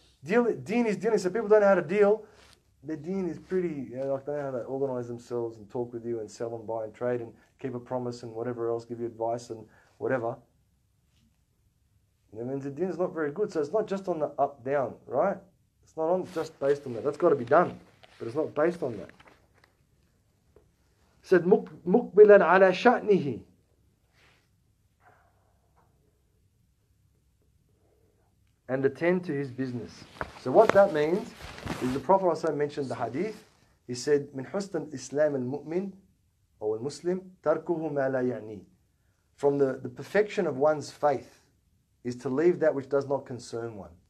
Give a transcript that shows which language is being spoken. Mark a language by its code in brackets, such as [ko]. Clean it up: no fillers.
[en] Deen is dealing, so people don't know how to deal. The deen is pretty, they know how to organize themselves and talk with you and sell and buy and trade and keep a promise and whatever else, give you advice and whatever. And that means the deen is not very good. So it's not just on the up, down, right? It's not on just based on that. That's got to be done. But it's not based on that. It said, [ar] مُقْبِلًا عَلَى شَأْنِهِ. [en] And attend to his business. So what that means is the Prophet also mentioned the hadith. He said, [ar] "Min husn al-Islam al-mu'min, or al-Muslim, tarkuhu ma la ya'ni." [en] from the perfection of one's faith is to leave that which does not concern one.